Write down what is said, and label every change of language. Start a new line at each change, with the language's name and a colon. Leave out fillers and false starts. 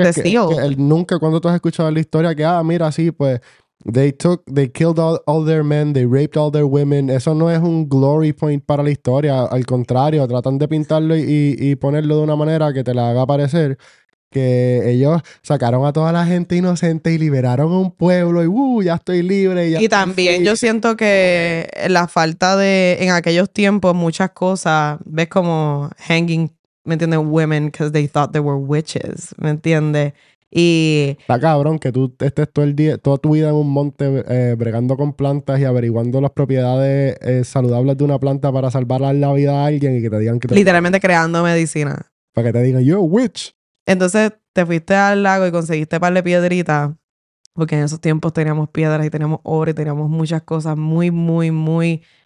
Spanish: es que él nunca, cuando tú has escuchado la historia, que, ah, mira, sí, pues,
English: they killed all their men, they raped all their women,
Spanish: eso no es un glory point para la historia, al contrario, tratan de pintarlo y ponerlo de una manera que te la haga parecer que ellos sacaron a toda la gente inocente y liberaron a un pueblo y ya estoy libre. Y también yo siento que la falta de, en aquellos tiempos, muchas cosas, ves como hanging, ¿me entiendes?
English: Women because they thought they were witches,
Spanish: ¿me entiendes? Y está cabrón que tú estés todo el día, toda tu vida en un monte bregando con plantas y averiguando las propiedades saludables de una planta para salvar la vida a alguien y que te digan que... Literalmente creando medicina. Para que te digan,
English: you're a witch.
Spanish: Entonces, te fuiste al lago y conseguiste un par de piedritas, porque en esos tiempos teníamos piedras y teníamos oro y teníamos muchas cosas muy, muy, muy